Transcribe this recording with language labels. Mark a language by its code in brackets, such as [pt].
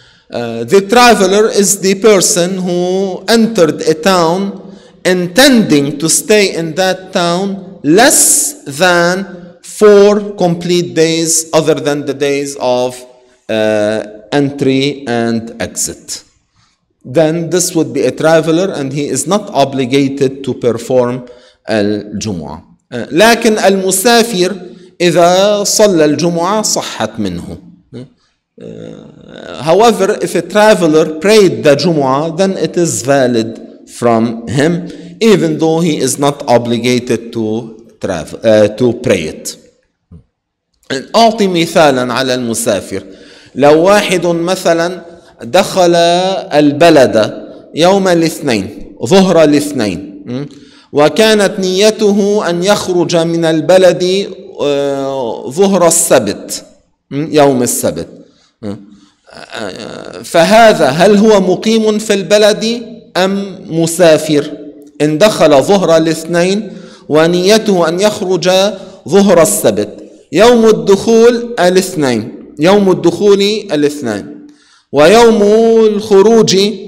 [en] The traveler is the person who entered a town intending to stay in that town less than 4 complete days other than the days of entry and exit. Then this would be a traveler and he is not obligated to perform al-Jumu'ah. [ar] لكن المسافر إذا صلى الجمعة صحت منه. [en] However, if a traveler prayed the Jumu'ah, then it is valid from him, even though he is not obligated to pray it. [ar] أعطي مثالا على المسافر. لو واحد مثلا دخل البلد يوم الاثنين ظهر الاثنين وكانت نيته أن يخرج من البلد ظهر السبت يوم السبت، فهذا هل هو مقيم في البلد أم مسافر؟ إن دخل ظهر الاثنين ونيته أن يخرج ظهر السبت، يوم الدخول الاثنين، يوم الدخول الاثنين ويوم الخروج